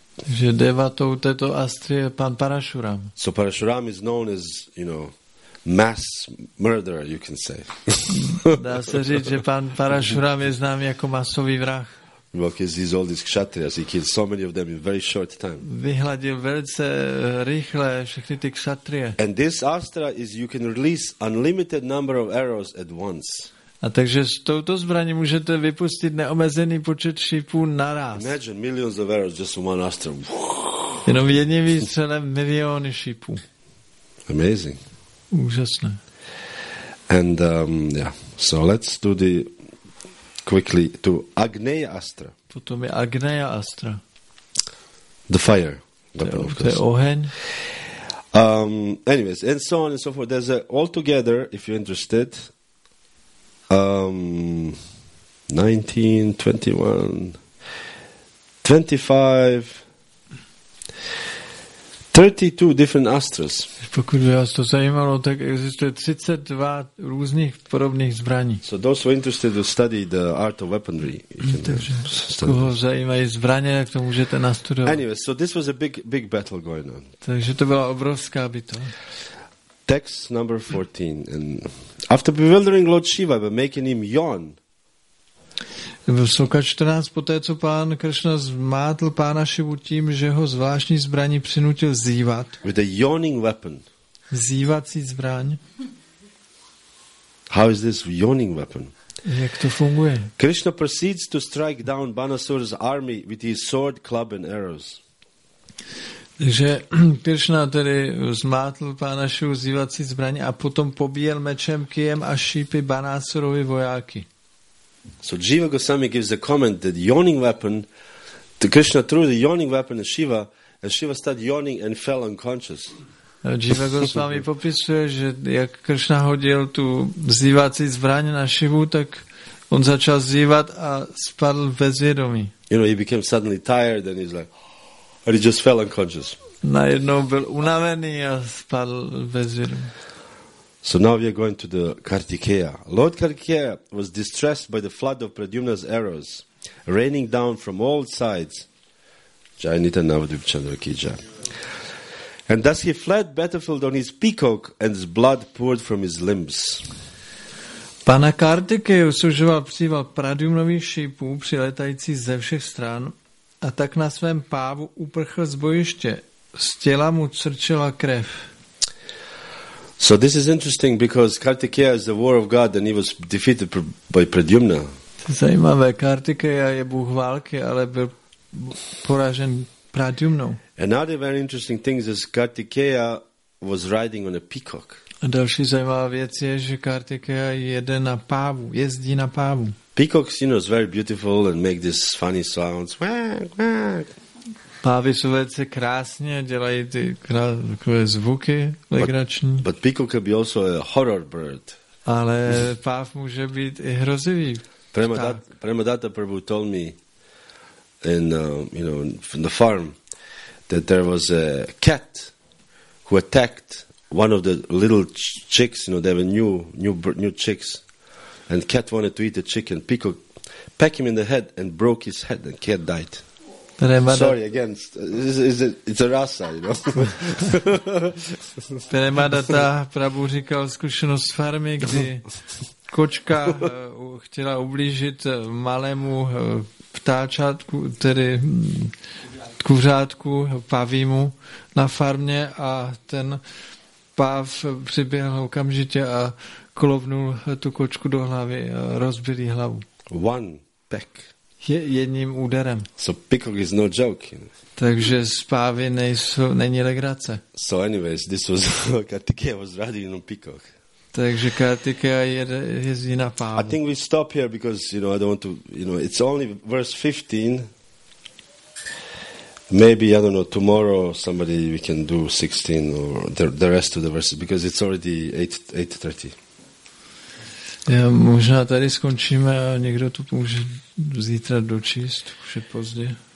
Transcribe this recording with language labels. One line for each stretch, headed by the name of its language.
Czech: Že devatou této Astry je pan Parashuram.
English: So Parashuram is known as, you know, mass murderer, you can say.
Czech: Dá se říct, že pan Parashuram je známý jako masový vrah.
English: Because he's all these kshatriyas, he killed so many of them in very short time.
Czech: Vyhladil velice rychle všechny ty kshatrie.
English: And this astra is you can release unlimited number of arrows at once.
Czech: A takže s touto zbraní můžete vypustit neomezený počet šípů naraz.
English: Imagine millions of arrows just from one astra.
Czech: Jenom jedním výstřelem miliony šípů.
English: Amazing.
Czech: Úžasné.
English: And yeah, so let's do the quickly to Agneya Astra.
Czech: Potom je Agneya Astra.
English: The fire.
Czech: To je oheň.
English: Anyways, and so on and so forth. There's a all together, if you're interested, 19, 21, 25, 32 different astras.
Czech: Pokud by vás to zajímalo, tak existuje 32 různých podobných zbraní.
English: So those who are interested to study the art of weaponry.
Czech: Takže koho zajímají zbraně, tak to můžete nastudovat.
English: Anyway, so this was a big battle going on.
Czech: Takže to byla obrovská bitva.
English: Text number 14. And after bewildering Lord Shiva by making him yawn.
Czech: Sloka 14, poté co pán Krishna zmátl pána Šivu tím, že ho zvláštní zbraní přinutil zívat.
English: With a yawning weapon.
Czech: Zívací zbraň.
English: How is this yawning weapon?
Czech: Jak to funguje?
English: Krishna proceeds to strike down Banasura's army with his sword, club and arrows.
Czech: Takže Krishna tedy zmátl pána Šivu zívací zbraní a potom pobíjel mečem, kyjem a šípy Banasurovi vojáky.
English: So Jiva Goswami gives a comment that yawning weapon, the Krishna threw the yawning weapon at Shiva, and Shiva started yawning and fell unconscious.
Czech: Jiva Goswami popisuje, že jak Krishna hodil tu zívací zbraň na Shivu, tak on začal zívat a spadl bezvědomí.
English: You know, he became suddenly tired, and he's like, and he just fell unconscious.
Czech: Najednou byl unavený a spadl bezvědomí.
English: So now we are going to the Kartikeya. Lord Kartikeya was distressed by the flood of Pradyumna's arrows raining down from all sides. Jai Nita Navadvip Chandra Kija. And thus he fled battlefield on his peacock and his blood poured from his limbs.
Czech: Pana Kartikeya usužoval příval Pradyumnových šípů přiletající ze všech stran a tak na svém pávu uprchl z bojiště. Z těla mu crčela krev.
English: So this is interesting because Kartikeya is the war of God and he was defeated by Pradyumna.
Czech: Zajímavé, Kartikeya je bůh války, ale byl poražen Pradyumnou.
English: Another very interesting thing is Kartikeya was riding on a peacock.
Czech: A další zajímavá věc je, že Kartikeya jede na pávu, jezdí na pávu.
English: Peacocks, you know, is very beautiful and make these funny sounds. Quack, quack.
Czech: Pávy jsou velice krásně, dělají ty takové zvuky legrační.
English: But peacock can be also a horror bird.
Czech: Ale páv může být i hrozivý.
English: Premadatta Prabhu told me in you know, from the farm that there was a cat who attacked one of the little chicks, you know, they were new chicks, and cat wanted to eat the chicken. Peacock pecked him in the head and broke his head, and cat died. Sorry, again, it's a rasa, you know.
Czech: Premadatta Prabhu říkal zkušenost farmy, kdy kočka chtěla ublížit malému ptáčátku, tedy kuřátku pavímu na farmě, a ten páv přiběhl okamžitě a klovnul tu kočku do hlavy, rozbil jí hlavu.
English: One peck.
Czech: Jedním úderem.
English: So peacock is no joke.
Czech: Takže spávy není legrace.
English: So anyways, this was Kartikeya was riding on peacock.
Czech: Takže Kartikeya jezdí na pávu.
English: I think we stop here because, you know, I don't want to, you know, it's only verse 15. Maybe, I don't know, tomorrow somebody we can do 16 or the rest of the verses because it's already 8:30.
Czech: Já možná tady skončíme a někdo to může zítra dočíst, už je pozdě.